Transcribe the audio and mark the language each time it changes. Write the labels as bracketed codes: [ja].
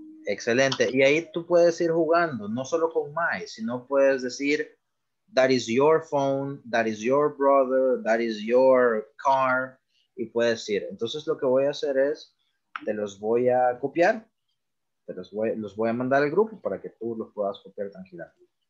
[es] Excelente. Y ahí tú puedes ir jugando, no solo con my, sino puedes decir [en] that is your phone, that is your brother, that is your car, [es] y puedes ir. Entonces lo que voy a hacer es, te los voy a copiar, te los voy a mandar al grupo para que tú los puedas copiar tranquilamente.